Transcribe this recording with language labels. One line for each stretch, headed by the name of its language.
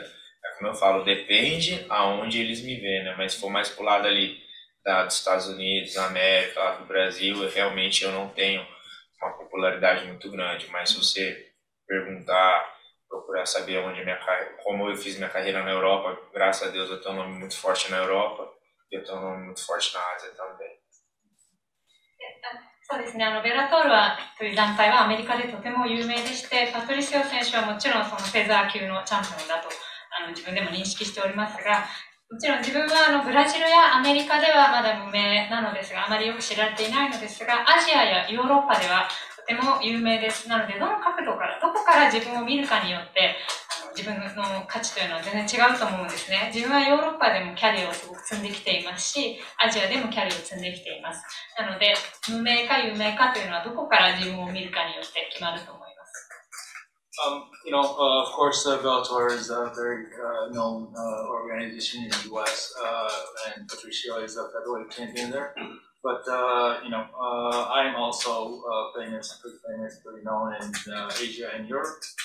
Portuguese: É como eu falo, depende aonde eles me veem, né? Mas se for mais para o lado ali dos Estados Unidos, América, do Brasil, eu realmente eu não tenho... uma popularidade muito grande, mas se você perguntar, procurar saber onde minha carreira, como eu fiz minha carreira na Europa, graças a Deus eu tenho um nome muito forte na Europa e eu tenho um nome muito forte na Ásia também.
Japanese: そうですね、ベラトールはという団体はアメリカでとても有名でして、パトリシオ選手はもちろんそのフェザー級のチャンピオンだと自分でも認識しておりますが、もちろん自分はブラジルやアメリカではまだ無名なのですが、あまりよく知られていないのですが、アジアやヨーロッパではとても有名です。なので、どの角度から、どこから自分を見るかによって自分の価値というのは全然違うと思うんですね。自分はヨーロッパでもキャリアをすごく積んできていますし、アジアでもキャリアを積んできています。なので、無名か有名かというのはどこから自分を見るかによって決まると思います。
English: Of course, Bellator is a very known organization in the U.S., and Patricio is a featherweight champion there. But I'm also pretty famous, pretty known in Asia and Europe.